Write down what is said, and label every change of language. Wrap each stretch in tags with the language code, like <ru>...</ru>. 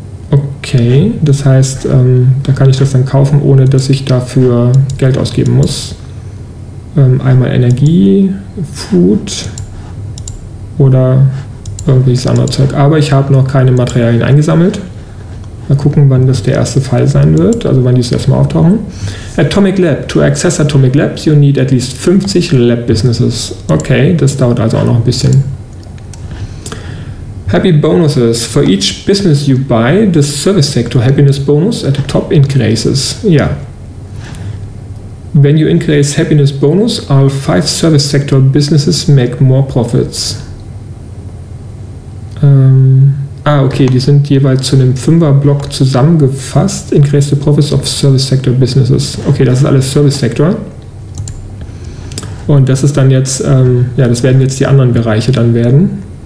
<de>Okay, das heißt, da kann ich das dann kaufen, ohne dass ich dafür Geld ausgeben muss. Einmal Energie, Food oder irgendwelches anderes Zeug. Aber ich habe noch keine Materialien eingesammelt. Mal gucken, wann das der erste Fall sein wird, also wann die das erste Mal auftauchen.</de> <en>Atomic Lab. To access Atomic Labs, you need at least 50 Lab Businesses.</en> <de>Okay, das dauert also auch noch ein bisschen.</de> <en>Happy Bonuses. For each business you buy, the service sector happiness bonus at the top increases. Ja. When you increase happiness bonus, all 5 service sector businesses make more profits.</en> <de>Okay, die sind jeweils zu einem 5er-Block zusammengefasst.</de> <en>Increase the profits of service sector businesses.</en> <de>Okay, das ist alles Service Sector. Und das ist dann jetzt, ja, das werden jetzt die anderen Bereiche dann werden.</de>